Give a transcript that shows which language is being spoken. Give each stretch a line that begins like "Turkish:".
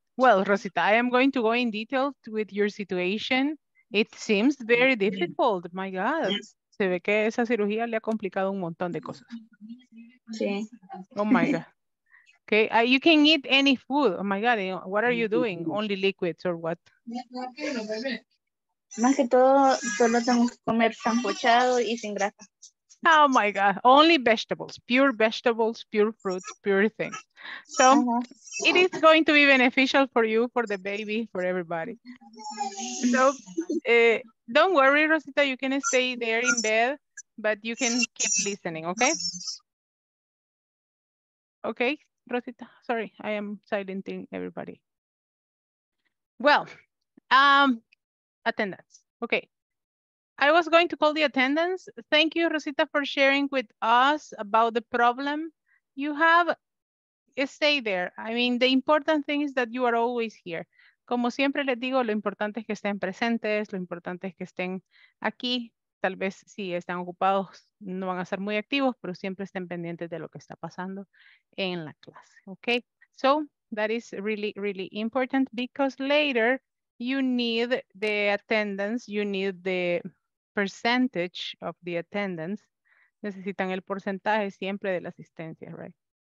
English: Well, Rosita, I am going to go in detail with your situation. It seems very difficult. My God.
Spanish: Se ve que esa cirugía le ha complicado un montón de cosas. Sí.
English: Oh my God. Okay. You can eat any food. Oh my God. What are you doing? Only liquids or what?
Spanish: Más que todo, solo tengo que comer sancochado y sin grasa.
English: Oh my God, only vegetables, pure fruits, pure things. So it is going to be beneficial for you, for the baby, for everybody. So don't worry, Rosita, you can stay there in bed, but you can keep listening, okay? Okay, Rosita, sorry, I am silencing everybody. Well, attendance, okay. I was going to call the attendance. Thank you, Rosita, for sharing with us about the problem you have. Stay there. I mean, the important thing is that you are always here.
Spanish: Como siempre les digo, lo importante es que estén presentes, lo importante es que estén aquí. Tal vez si están ocupados, no van a ser muy activos, pero siempre estén pendientes de lo que está pasando en la clase.
English: Okay, so that is really, really important because later you need the attendance, you need the percentage of the attendance.
Spanish: Necesitan el porcentaje siempre de la asistencia, right?